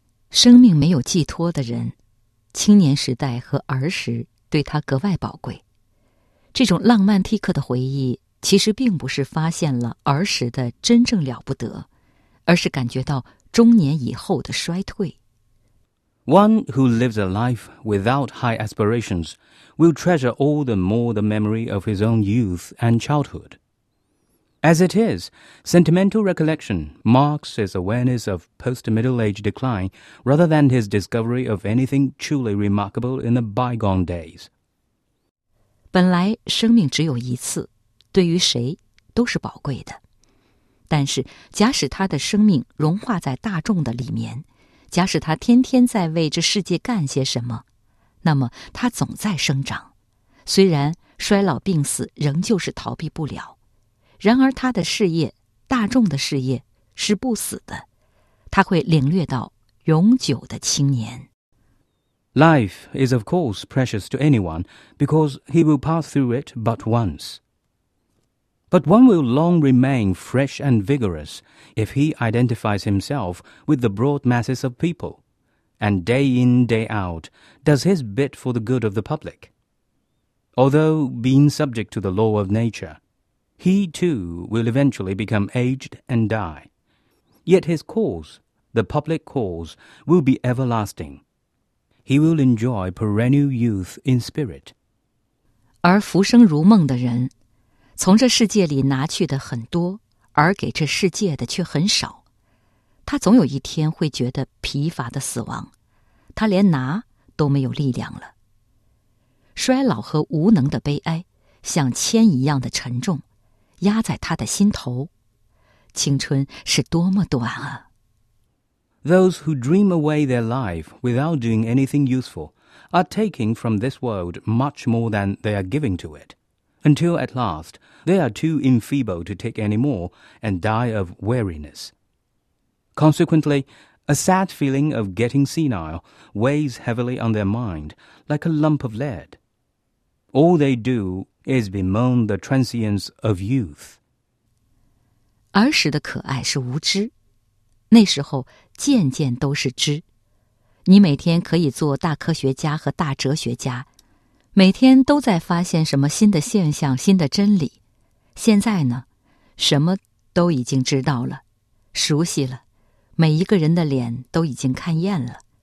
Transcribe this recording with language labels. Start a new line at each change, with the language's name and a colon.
Chinese: 生命没有寄托的人，青年时代和儿时对他格外宝贵。这种浪漫蒂克的回忆，其实并不是发现了儿时的真正了不得，而是感觉到中年以后的衰退。
English: One who lives a life without high aspirations will treasure all the more the memory of his own youth and childhood. As it is, sentimental recollection marks his awareness of post-middle age decline rather than his discovery of anything truly remarkable in the bygone days.
Chinese: 本来生命只有一次，对于谁都是宝贵的。但是假使他的生命融化在大众的里面，假使他天天在为这世界干些什么，那么他总在生长，虽然衰老病死仍旧是逃避不了。然而他的事业，大众的事业，是不死的，他会领略到永久的青年。
English: Life is of course precious to anyone, because he will pass through it but once. But one will long remain fresh and vigorous if he identifies himself with the broad masses of people, and day in, day out, does his bit for the good of the public. Although being subject to the law of nature,He, too, will eventually become aged and die. Yet his cause, the public cause, will be everlasting. He will enjoy perennial youth in spirit.
Chinese: 而浮生如梦的人，从这世界里拿去的很多，而给这世界的却很少。他总有一天会觉得疲乏的死亡，他连拿都没有力量了。衰老和无能的悲哀，像铅一样的沉重。压在他的心头，青春是多么短啊。
English: Those who dream away their life without doing anything useful are taking from this world much more than they are giving to it, until at last they are too enfeebled to take any more and die of weariness. Consequently, a sad feeling of getting senile weighs heavily on their mind like a lump of lead. All they doIs bemoan the transience of youth.
Chinese: 儿时的可爱是无知，那时候件件都是知。你每天可以做大科学家和大哲学家，每天都在发现什么新的现象、新的真理。现在呢，什么都已经知道了，熟悉了，每一个人的脸都已经看厌了。